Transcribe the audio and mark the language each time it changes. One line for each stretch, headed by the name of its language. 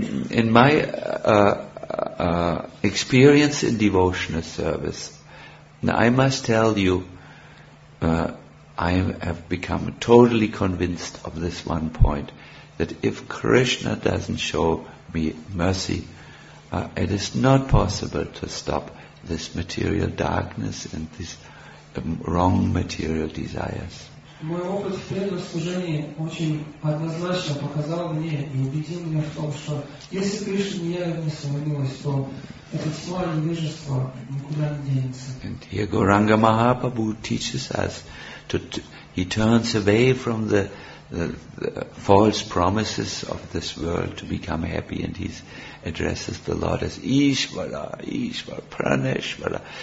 English: In my experience in devotional service, now I must tell you, I have become totally convinced of this one point, that if Krishna doesn't show me mercy, it is not possible to stop this material darkness and these wrong material desires.
Russian: Мой опыт в преданном служении очень однозначно показал мне и убедил меня в том, что если Кришна не явит мне свою милость, то это тьма и невежество никуда не денется.
English: And here Gauranga Mahaprabhu teaches us he turns away from the false promises of this world to become happy, and he addresses the Lord as Ishvara, Ishvara, Praneshvara.